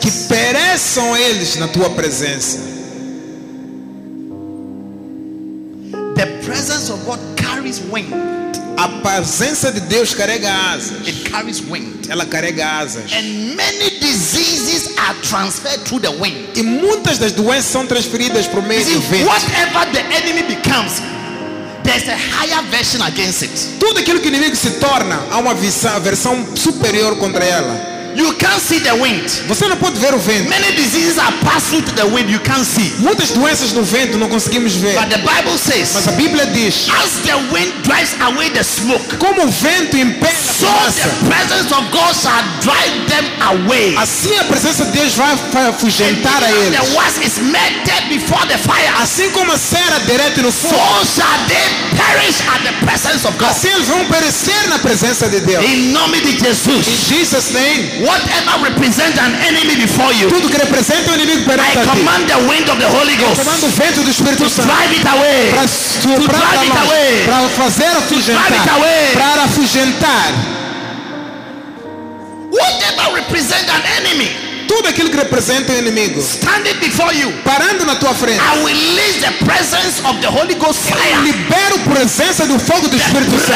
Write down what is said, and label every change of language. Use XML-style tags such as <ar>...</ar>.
<pt>Que pereçam eles na tua presença.</pt> <en>The presence of God carries wind.</en> <pt>A presença de Deus carrega asas.</pt> <en>It carries wind.</en> <pt>Ela carrega asas.</pt> <en>And many diseases are transferred through the wind.</en> <pt>E muitas das doenças são transferidas por meio do vento.</pt> <en>Whatever the enemy becomes, there's a higher version against it.</en> <pt>Tudo aquilo que o inimigo se torna, há uma versão superior contra ela.</pt> <en>You can't see the wind.</en> <pt>Você não pode ver o vento.</pt> <en>Many diseases are passing through the wind. You can't see.</en> <pt>Muitas doenças no vento não conseguimos ver.</pt> <en>But the Bible says.</en> <pt>Mas a Bíblia diz.</pt> <en>As the wind drives away the smoke.</en> <pt>Como o vento impele a fumaça.</pt> <en>So the presence of God shall drive them away.</en> <pt>Assim a presença de Deus vai afugentar a eles.</pt> <en>The wax is melted before the fire.</en> <pt>Assim como a cera derrete no fogo.</pt> <en>So shall they perish at the presence of God.</en> <pt>Assim eles vão perecer na presença de Deus. Em nome de Jesus.</pt> <en>In Jesus' name. Whatever represents an enemy before you,</en> <pt>tudo que representa um inimigo perante</pt> <en>I command</en> <pt>ti,</pt> <en>the wind of the Holy Ghost,</en> <pt>eu comando o vento do Espírito Santo,</pt> <en>drive it away,</en> <pt>para</pt> <en>drive it away,</en> <pt>para fazer afugentar,</pt> <en>drive it away,</en> <pt>para afugentar.</pt> <en>Whatever represents an enemy,</en> <pt>tudo aquilo que representa um inimigo,</pt> <en>standing before you,</en> <pt>parando na tua frente,</pt> <en>I will release the presence of the Holy Ghost fire.</en> <pt>Libero a presença do fogo do Espírito Santo.</pt>